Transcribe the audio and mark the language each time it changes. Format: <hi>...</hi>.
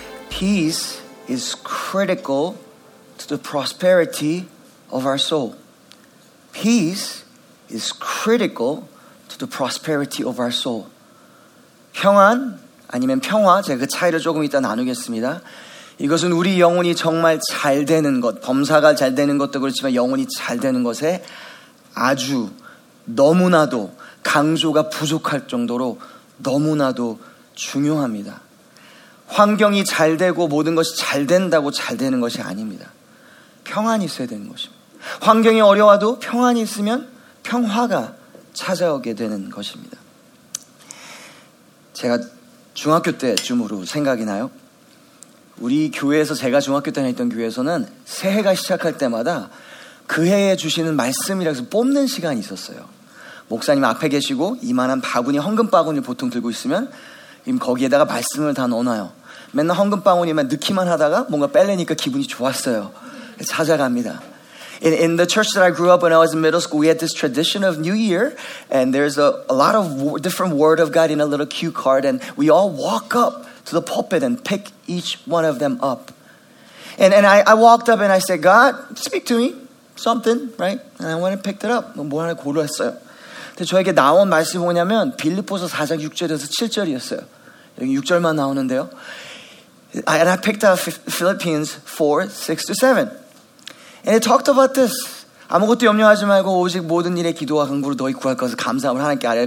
<en>peace is critical to the prosperity of our soul. Peace is critical to the prosperity of our soul.</en> <ko>평안 아니면 평화, 제가 그 차이를 조금 이따 나누겠습니다. 이것은 우리 영혼이 정말 잘 되는 것, 범사가 잘 되는 것도 그렇지만 영혼이 잘 되는 것에 아주 너무나도 강조가 부족할 정도로 너무나도 중요합니다. 환경이 잘 되고 모든 것이 잘 된다고 잘 되는 것이 아닙니다. 평안이 있어야 되는 것입니다. 환경이 어려워도 평안이 있으면 평화가 찾아오게 되는 것입니다. 제가 중학교 때쯤으로 생각이 나요. 우리 교회에서 제가 중학교 때 다녔던 교회에서는 새해가 시작할 때마다 그 해에 주시는 말씀이라고 해서 뽑는 시간이 있었어요. 목사님 앞에 계시고 이만한 바구니, 헌금 바구니를 보통 들고 있으면 거기에다가 말씀을 다 넣어놔요. 맨날 헌금 바구니만 넣기만 하다가 뭔가 빼려니까 기분이 좋았어요. 찾아갑니다.</ko> <en>In the church that I grew up when I was in middle school, we had this tradition of New Year, and there's a lot of different word of God in a little cue card, and we all walk up to the pulpit and pick each one of them up. And I walked up and I said, God, speak to me, something, right? And I went and picked it up.</en> <ko>뭐 하나 고르겠어요. 근데 저에게 나온 말씀이 뭐냐면 빌립보서 4장 6절에서 7절이었어요. 여기 6절만 나오는데요.</ko> <en>And I picked up Philippians 4, 6 to 7. And it talked about this.</en> <ko>아무것도 염려하지 말고 오직 모든 일에 기도와 간구로 너희 구할 것을 감사함을 하나님께 아뢰라.</ko>